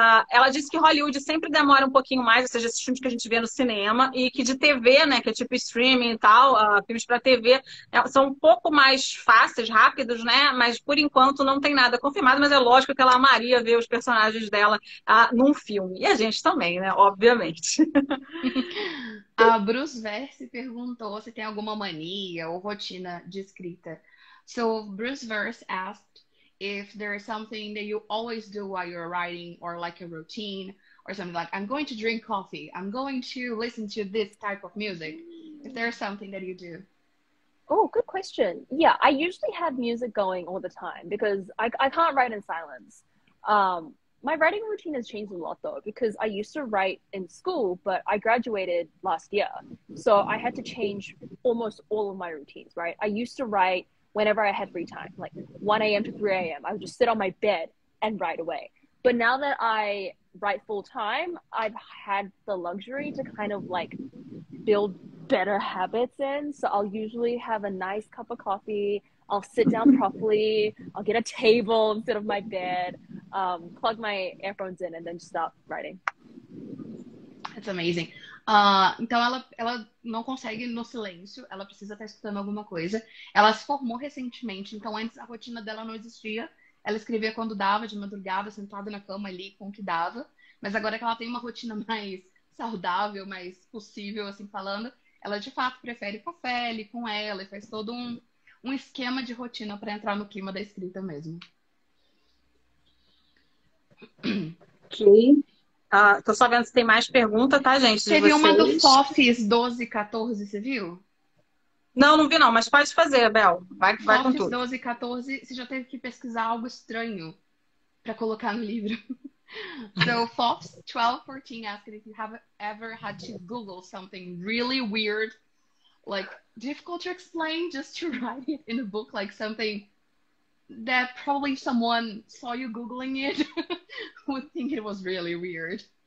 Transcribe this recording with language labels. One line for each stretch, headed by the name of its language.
Portuguese: Ela disse que Hollywood sempre demora um pouquinho mais, ou seja, esses filmes que a gente vê no cinema, e que de TV, né, que é tipo streaming e tal, filmes para TV, são um pouco mais fáceis, rápidos, né? Mas por enquanto não tem nada confirmado, mas é lógico que ela amaria ver os personagens dela num filme. E a gente também, né? Obviamente. A Bruce Verse perguntou se tem alguma mania ou rotina de escrita.
English: So, Bruce Verse asked if there is something that you always do while you're writing or like a routine or something like, I'm going to drink coffee, I'm going to listen to this type of music. If there is something that you do. Oh, good question. Yeah, I usually have music going all the time because I can't write in silence. My writing routine has changed a lot, though, because I used to write in school, but I graduated last year. So I had to change almost all of my routines, right? I used to write whenever I had free time, like 1 a.m. to 3 a.m. I would just sit on my bed and write away. But now that I write full time, I've had the luxury to kind of like build better habits in. So I'll usually have a nice cup of coffee. I'll sit down properly. I'll get a table instead of my bed. Plug my earphones in and then stop writing. That's amazing.
Portuguese: Então ela não consegue no silêncio, ela precisa estar escutando alguma coisa. Ela se formou recentemente, então antes a rotina dela não existia. Ela escrevia quando dava, de madrugada, sentada na cama ali com o que dava. Mas agora que ela tem uma rotina mais saudável, mais possível, assim falando, ela de fato prefere café ali com ela e faz todo um esquema de rotina para entrar no clima da escrita mesmo. Ok. Tô só vendo se tem mais pergunta, tá, gente? Teve uma do Fofis 1214, você viu? Não vi não, mas pode fazer, Bel. Vai com tudo. Fofis 1214, você já teve que pesquisar algo estranho para colocar no livro.
English: So, Fofis 1214 asked if you have ever had to Google something really weird, like difficult to explain, just to write it in a book, like something that probably someone saw you Googling it would think it was really weird.